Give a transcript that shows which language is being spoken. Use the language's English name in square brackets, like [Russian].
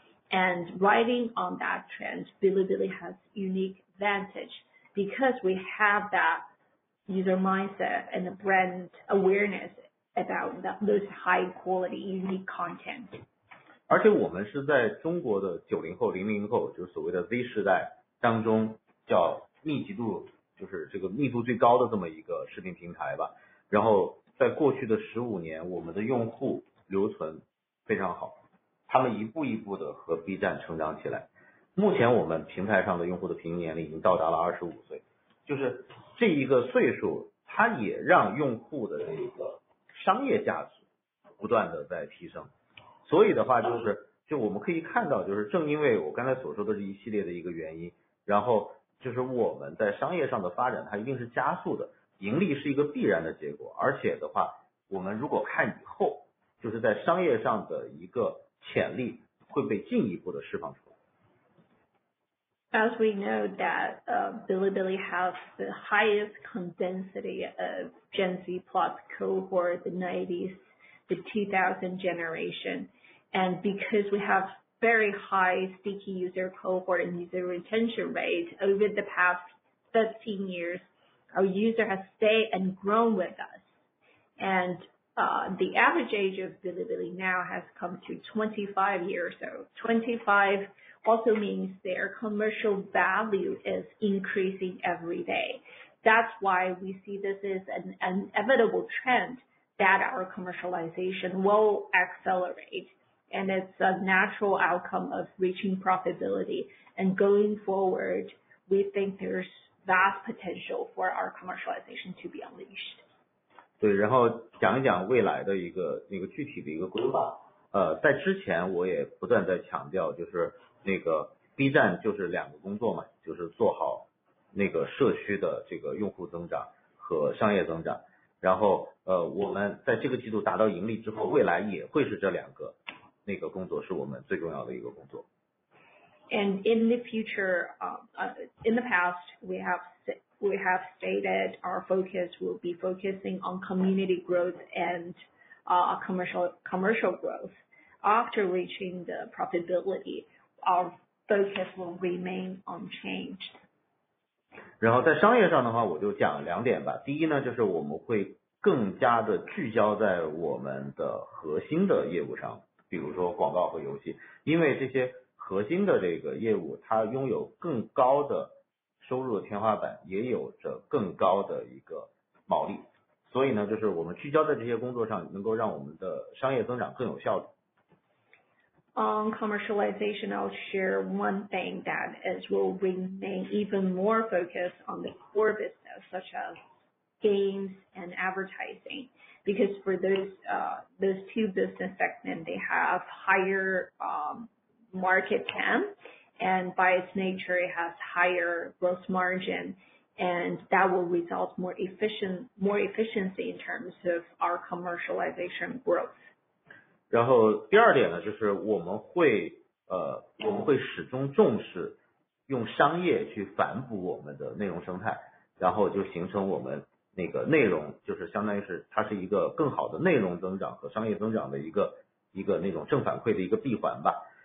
[English] And riding on that trend, Bilibili has unique advantage because we have that user mindset and the brand awareness about that, those high quality unique content. [Chinese] 而且我们是在中国的90后00后就是所谓的 Z 世代当中叫密集度就是这个密度最高的这么一个视频平台吧。然后在过去的15年我们的用户留存非常好，他们一步一步的和 B 站成长起来。目前我们平台上的用户的平均年龄已经到达了25岁，就是这一个岁数它也让用户的这个商业价值不断的在提升。所以的话就是就我们可以看到，就是正因为我刚才所说的这一系列的一个原因，然后就是我们在商业上的发展它一定是加速的，盈利是一个必然的结果。而且的话我们如果看以后就是在商业上的一个潜力会被进一步的释放出来。 [English] As we know that Bilibili has the highest density of Gen Z plus cohort, the 90s, the 2000 generation. And because we have very high sticky user cohort and user retention rate over the past 13 years, our user has stayed and grown with us. And the average age of Bilibili now has come to 25 years. So 25 also means their commercial value is increasing every day. That's why we see this is an inevitable trend that our commercialization will accelerate. And it's a natural outcome of reaching profitability. And going forward, we think there's vast potential for our commercialization to be unleashed. [Chinese] 对，然后讲一讲未来的一个那个具体的一个规划。在之前我也不断在强调，就是那个 B 站就是两个工作嘛，就是做好那个社区的这个用户增长和商业增长。然后我们在这个季度达到盈利之后，未来也会是这两个。那个工作是我们最重要的一个工作。 [English] And in the future, in the past, we have stated our focus will be focusing on community growth and commercial growth. After reaching the profitability, our focus will remain unchanged. [Chinese] 然后在商业上的话，我就讲两点吧。第一呢，就是我们会更加的聚焦在我们的核心的业务上。比如说广告和游戏，因为这些核心的这个业务它拥有更高的收入的天花板，也有着更高的一个毛利，所以呢就是我们聚焦在这些工作上能够让我们的商业增长更有效率。 [English] On commercialization, I'll share one thing that is will remain even more focused on the core business such as games and advertising. Because for those two business segments, they have higher market TAM, and by its nature, it has higher gross margin, and that will result more efficiency in terms of our commercialization growth. [Chinese] 然后第二点呢，就是我们会始终重视用商业去反哺我们的内容生态，然后就形成我们。那个内容就是相当于是它是一个更好的内容增长和商业增长的一个那种正反馈的一个闭环吧。